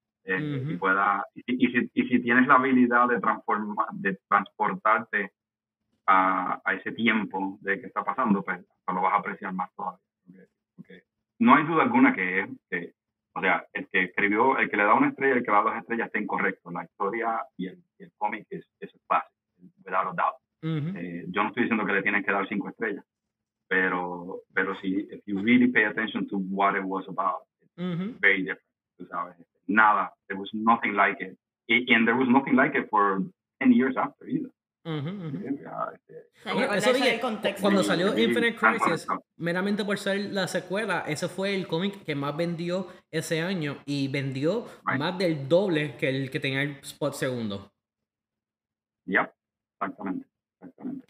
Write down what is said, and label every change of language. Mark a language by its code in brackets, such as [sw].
[es] Mm-hmm. Y si tienes la habilidad de transportarte a ese tiempo de que está pasando, pues lo vas a apreciar más todavía. Okay. No hay duda alguna que el que escribió, el que le da una estrella, el que le da dos estrellas, está incorrecto. La historia y el cómic es fácil, [en] without a doubt. [es] Mm-hmm. Yo no estoy diciendo que le tienes que dar 5 estrellas. Pero si, [en] if you really pay attention to what it was about, mm-hmm. very different, [es] tú sabes. Nada, [en] there was nothing like it. And there was nothing like it for 10 years after either. Mm-hmm. [es] Eso dije, cuando salió Infinite Crisis, meramente por ser la secuela, ese fue el cómic que más vendió ese año y vendió más del doble que el que tenía el spot segundo. Yep, exactamente. Exactamente.